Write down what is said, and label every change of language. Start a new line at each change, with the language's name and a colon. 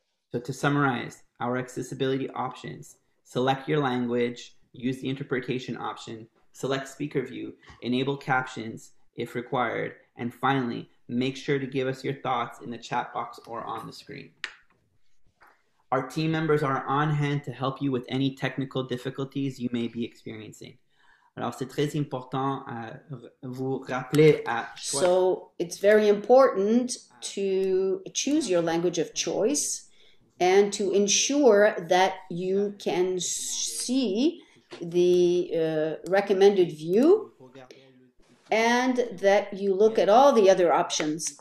English: So to summarize, our accessibility options, select your language, use the interpretation option, select speaker view, enable captions if required, and finally, make sure to give us your thoughts in the chat box or on the screen. Our team members are on hand to help you with any technical difficulties you may be experiencing.
French: Alors, c'est très important à vous rappeler à choisir.
English: So it's very important to choose your language of choice and to ensure that you can see the recommended view and that you look at all the other options.